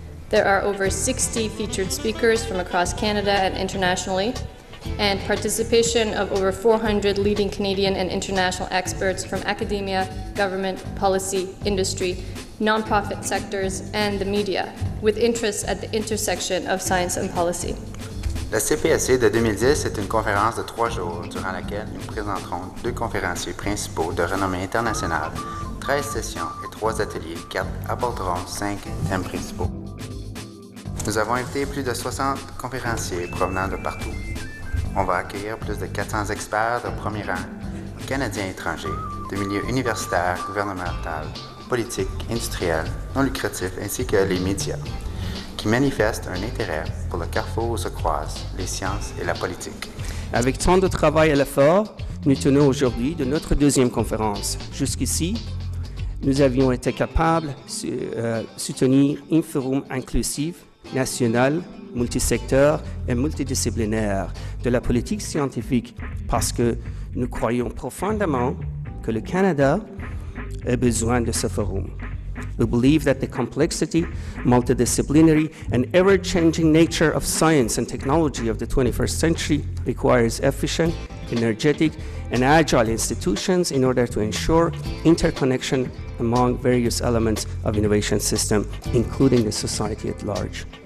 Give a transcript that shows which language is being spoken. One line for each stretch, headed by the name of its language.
English: There are over 60 featured speakers from across Canada and internationally, and participation of over 400 leading Canadian and international experts from academia, government, policy, industry, nonprofit sectors, and the media, with interests at the intersection of science and policy.
French: La CPSC de 2010 est une conférence de trois jours durant laquelle nous présenterons deux conférenciers principaux de renommée internationale, 13 sessions et trois ateliers qui aborderont cinq thèmes principaux. Nous avons invité plus de 60 conférenciers provenant de partout. On va accueillir plus de 400 experts de premier rang, Canadiens et étrangers, de milieux universitaires, gouvernementaux, politiques, industriels, non lucratifs ainsi que les médias, qui manifeste un intérêt pour le carrefour où se croisent les sciences et la politique. Avec tant de travail et l'effort, nous tenons aujourd'hui de notre deuxième conférence. Jusqu'ici, nous avions été capables de soutenir un forum inclusif, national, multisecteur et multidisciplinaire de la politique scientifique parce que nous croyons profondément que le Canada a besoin de ce forum.
English: We believe that the complexity, multidisciplinary, and ever-changing nature of science and technology of the 21st century requires efficient, energetic, and agile institutions in order to ensure interconnection among various elements of innovation system, including the society at large.